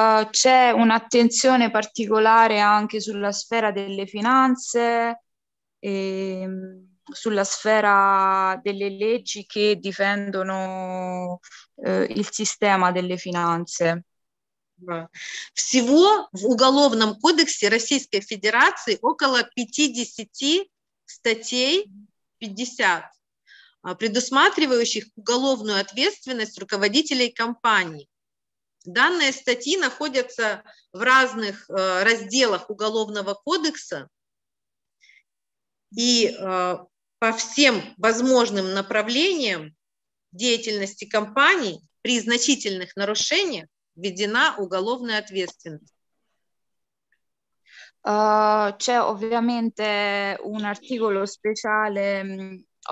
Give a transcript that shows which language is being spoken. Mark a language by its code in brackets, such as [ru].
[it] C'è un'attenzione particolare anche sulla sfera delle finanze, e sulla sfera delle leggi che difendono il sistema delle finanze. [ru] Всего в Уголовном кодексе Российской Федерации около 50 статей, 50, предусматривающих уголовную ответственность руководителей компаний. Данные статьи находятся в разных разделах Уголовного кодекса и по всем возможным направлениям деятельности компаний при значительных нарушениях введена уголовная ответственность. [it] C'è ovviamente un articolo speciale.